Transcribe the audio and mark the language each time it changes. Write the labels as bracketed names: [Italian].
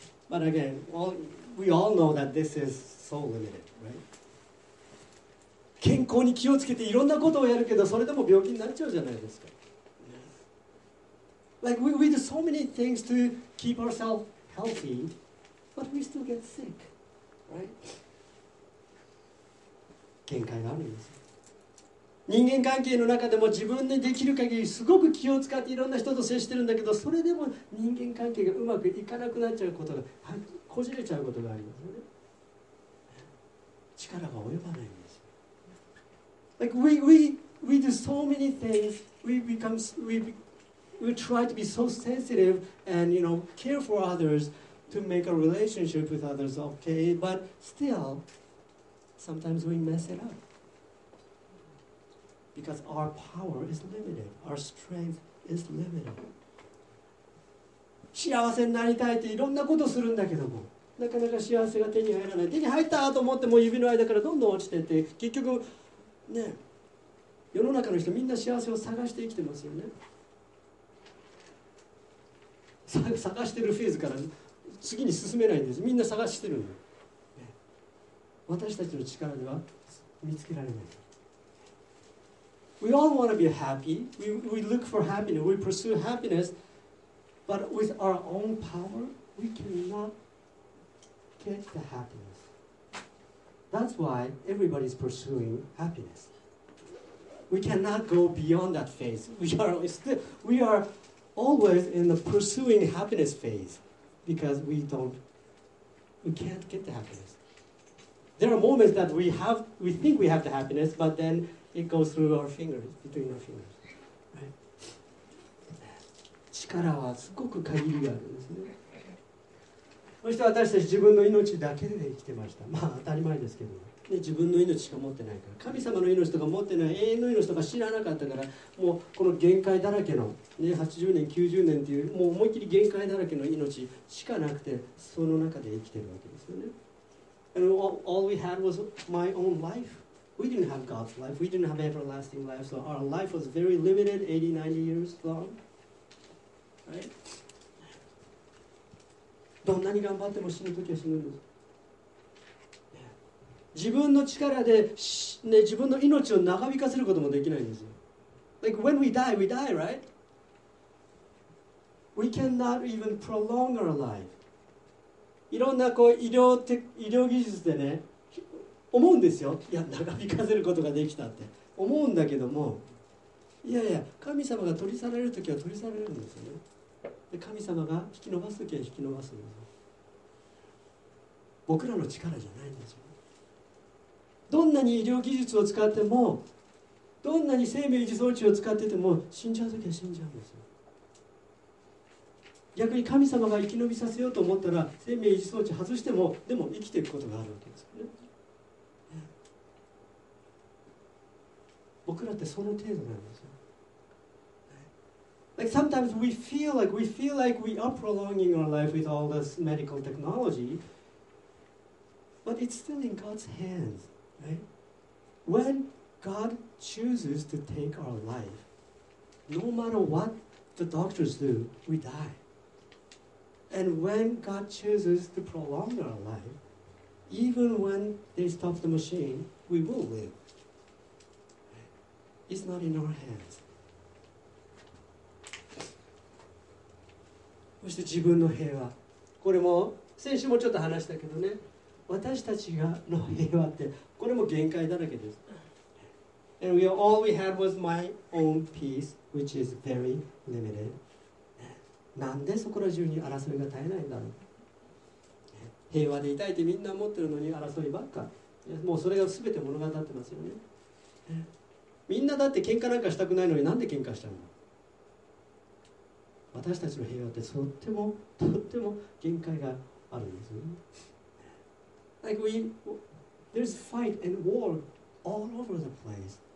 [English] But again, we all know that this is so limited, right? [Japanese] 健康に気をつけていろんなことをやるけど、それでも病気になっちゃうじゃないですか。 [English] Like we do so many things to keep ourselves healthy, but we still get sick. [Japanese] 限界があるんです。人間関係の中でも自分でできる限りすごく気を使っていろんな人と接してるんだけど、それでも人間関係がうまくいかなくなっちゃうことが、こじれちゃうことがありますよね。力が及ばないんです。 [English] Like we do so many things, we try to be so sensitive and you know care for others to make a relationship with others okay, but still sometimes we mess it up. Because our power is limited, our strength is limited. [Japanese] 幸せになりたいっていろんなことするんだけども、なかなか幸せが手に入らない。手に入ったと思っても指の間からどんどん落ちてて、結局ね、世の中の人みんな幸せを探して生きてますよね。探してるフェーズから次に進めないんです。みんな探してるの、ね。私たちの力では見つけられない。 [English] We all want to be happy. We look for happiness. We pursue happiness. But with our own power, we cannot get the happiness. That's why everybody's pursuing happiness. We cannot go beyond that phase. We are always in the pursuing happiness phase because we can't get the happiness. There are moments that we think we have the happiness, but then. It goes through our fingers, between our fingers.、 Right? [Japanese] 力はすごく限りがあるんですね。そして私たち自分の命だけで生きてました。まあ当たり前ですけど、ね、自分の命しか持ってないから、神様の命とか持ってない、永遠の命とか知らなかったから、もうこの限界だらけの、ね、80年、90年っていう、もう思いっきり限界だらけの命しかなくて、その中で生きてるわけですよね。 [English] And all we had was my own life. We didn't have God's life. We didn't have everlasting life. So our life was very limited, 80, 90 years long. Right? [Japanese] どんなに頑張っても死ぬときは死ぬんです。自分の力で、ね、自分の命を長引かせることもできないんですよ。 [English] Like when we die, right? We cannot even prolong our life. [Japanese] いろんなこう医療技術でね、思うんですよ。いや、長引かせることができたって思うんだけども、いやいや、神様が取り去られるときは取り去られるんですよね。で、神様が引き伸ばすときは引き伸ばすんですよ。僕らの力じゃないんですよ。どんなに医療技術を使っても、どんなに生命維持装置を使ってても、死んじゃうときは死んじゃうんですよ。逆に神様が生き延びさせようと思ったら、生命維持装置外してもでも生きていくことがあるわけですよね。僕らってその程度なんですよ。 [English] Like sometimes we feel like we are prolonging our life with all this medical technology, but it's still in God's hands, right? When God chooses to take our life, no matter what the doctors do, we die. And when God chooses to prolong our life, even when they stop the machine, we will live. It's not in our hands. [Japanese] そして自分の平和、これも先週もちょっと話したけどね、私たちがの平和ってこれも限界だらけです。 [English] And we all we had was my own peace, which is very limited. [Japanese] なんでそこら中に争いが絶えないんだろう。平和でいたいってみんな思ってるのに争いばっか。もうそれが全て物語ってますよね。みんなだって喧嘩なんかしたくないのに、なんで喧嘩しちゃうの。私たちの平和ってとってもとっても限界があるんですよね。 [English] Like there's fight and war all over the place.